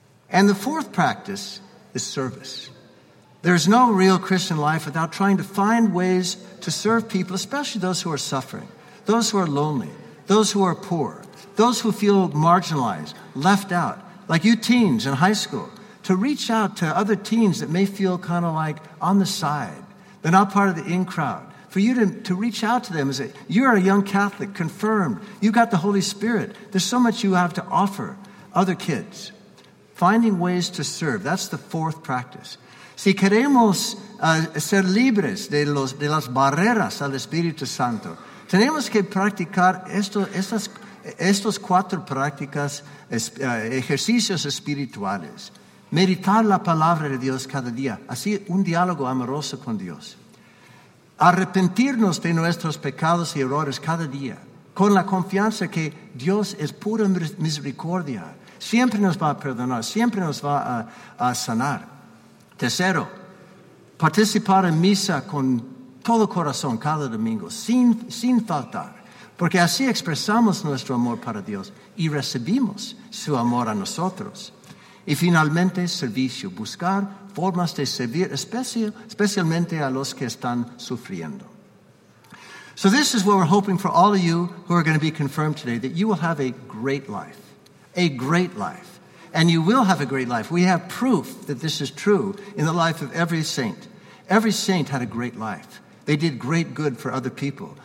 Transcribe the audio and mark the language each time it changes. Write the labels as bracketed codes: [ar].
[en] And the fourth practice is service. There's no real Christian life without trying to find ways to serve people, especially those who are suffering, those who are lonely, those who are poor, those who feel marginalized, left out, like you teens in high school, to reach out to other teens that may feel kind of like on the side. They're not part of the in crowd. For you to reach out to them and say, you're a young Catholic, confirmed. You got the Holy Spirit. There's so much you have to offer other kids. Finding ways to serve. That's the fourth practice. [es] Si queremos ser libres de las barreras al Espíritu Santo, tenemos que practicar estos cuatro prácticas, ejercicios espirituales. Meditar la palabra de Dios cada día. Así, un diálogo amoroso con Dios. Arrepentirnos de nuestros pecados y errores cada día, con la confianza que Dios es pura misericordia. Siempre nos va a perdonar, siempre nos va a sanar. Tercero, participar en misa con todo corazón cada domingo, sin faltar. Porque así expresamos nuestro amor para Dios y recibimos su amor a nosotros. Y finalmente, servicio, buscar formas de servir, especialmente a los que están sufriendo. [en] So this is what we're hoping for all of you who are going to be confirmed today, that you will have a great life, a great life. And you will have a great life. We have proof that this is true in the life of every saint. Every saint had a great life. They did great good for other people.